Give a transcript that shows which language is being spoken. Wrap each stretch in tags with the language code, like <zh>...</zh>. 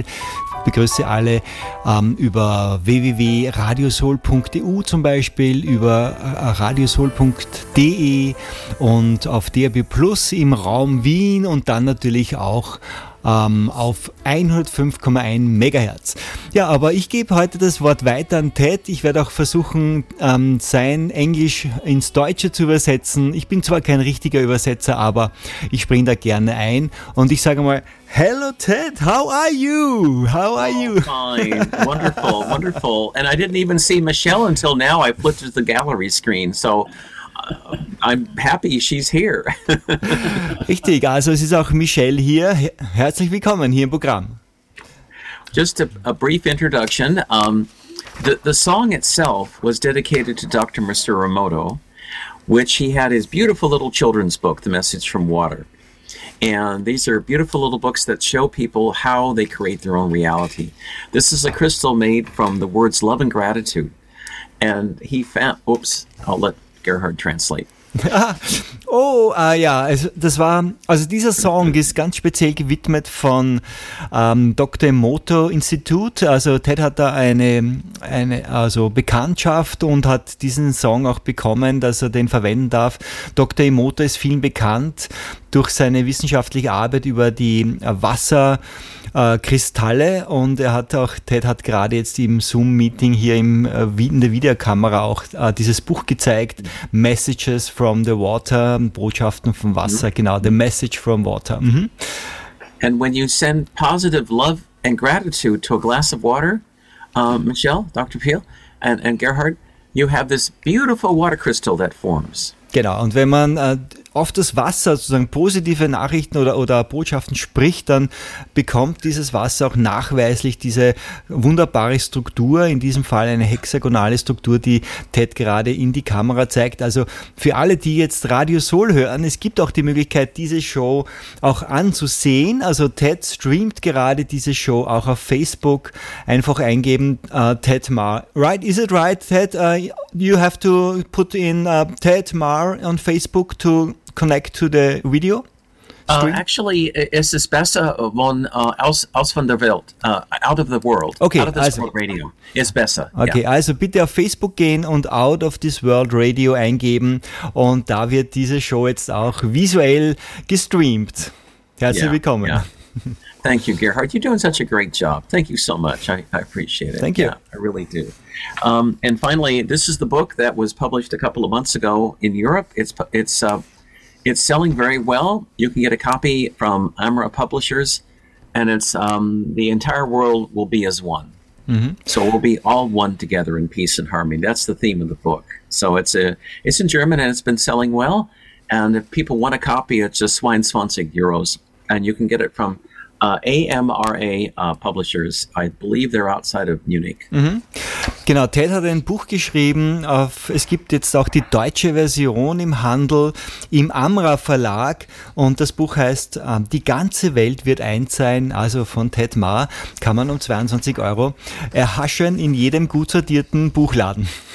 <de>Ich begrüße alle über www.radiosoul.eu zum Beispiel, über radiosoul.de und auf DAB Plus im Raum Wien und dann natürlich auch auf 105,1 MHz. Ja, aber ich gebe heute das Wort weiter an Ted. Ich werde auch versuchen, sein Englisch ins Deutsche zu übersetzen. Ich bin zwar kein richtiger Übersetzer, aber ich springe da gerne ein und ich sage mal, hello, Ted.</de> <en>How are you? Fine. Wonderful. And I didn't even see Michelle until now. I flipped to the gallery screen. So I'm happy she's here.</en> <de>Richtig. Also es ist auch Michelle hier. Herzlich willkommen hier im Programm.</de> <en>Just a brief introduction. The song itself was dedicated to Dr. Masaru Emoto, which he had his beautiful little children's book, The Message from Water. And these are beautiful little books that show people how they create their own reality. This is a crystal made from the words love and gratitude. And he found, oops, I'll let Gerhard translate.</en> <de>Also dieser Song ist ganz speziell gewidmet von Dr. Emoto Institut. Also Ted hat da eine Bekanntschaft und hat diesen Song auch bekommen, dass er den verwenden darf. Dr. Emoto ist vielen bekannt durch seine wissenschaftliche Arbeit über die Wasserkristalle und er hat auch, Ted hat gerade jetzt im Zoom-Meeting hier in der Videokamera auch dieses Buch gezeigt, Messages from the Water, Botschaften vom Wasser, genau, The Message from Water. Mhm.</de> <en>And when you send positive love and gratitude to a glass of water, Michelle, Dr. Peel and Gerhard, you have this beautiful water crystal that forms.</en> <de>Genau, und wenn man auf das Wasser sozusagen positive Nachrichten oder Botschaften spricht, dann bekommt dieses Wasser auch nachweislich diese wunderbare Struktur, in diesem Fall eine hexagonale Struktur, die Ted gerade in die Kamera zeigt. Also für alle, die jetzt Radio Zoll hören, es gibt auch die Möglichkeit, diese Show auch anzusehen. Also Ted streamt gerade diese Show auch auf Facebook. Einfach eingeben,</de> <en>Ted Maher. Right, is it right, Ted? You have to put in Ted Maher on Facebook to connect to the video?</en> <de>Actually, es ist besser von aus von der Welt,</de> <en>out of the world,</en> <de>okay,</de> <en>out of this world radio,</en> <de>ist besser.</de> <en>Okay, yeah.</en> <de>Also bitte auf Facebook gehen und out of this world radio eingeben und da wird diese Show jetzt auch visuell gestreamt. Herzlich willkommen.</de> <en>Yeah. Thank you, Gerhard. You're doing such a great job. Thank you so much. I appreciate it. Thank you. Yeah, I really do. And finally, this is the book that was published a couple of months ago in Europe. It's selling very well. You can get a copy from Amra Publishers, and it's the entire world will be as one. Mm-hmm. So we'll be all one together in peace and harmony. That's the theme of the book. So it's in German, and it's been selling well. And if people want a copy, it's just 22 euros. And you can get it from AMRA Publishers. I believe they're outside of Munich.</en> <de>Mhm. Genau, Ted hat ein Buch geschrieben. Es gibt jetzt auch die deutsche Version im Handel, im Amra Verlag. Und das Buch heißt Die ganze Welt wird eins sein. Also von Ted Ma kann man um 22 Euro erhaschen in jedem gut sortierten Buchladen.</de>